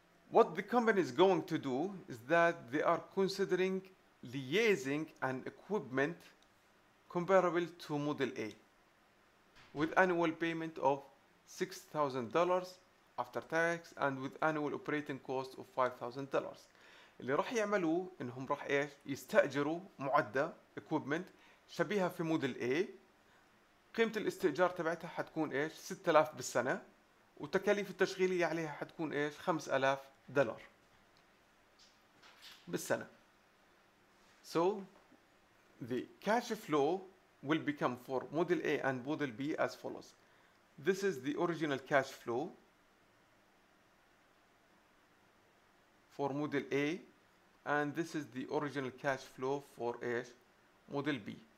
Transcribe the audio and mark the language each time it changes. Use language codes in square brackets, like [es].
[en] What the company is going to do is that they are considering liaising an equipment comparable to model A with annual payment of $6,000 after tax and with annual operating cost of $5,000. [ar] اللي راح يعملوه انهم راح يستأجروا معدة equipment شبيهة في موديل A. قيمة الاستئجار تبعتها حتكون 6000 بالسنة وتكاليف التشغيلية عليها حتكون $5,000 بالسنة. [en] So the cash flow will become for model A and model B as follows. This is the original cash flow for model A and this is the original cash flow for model B.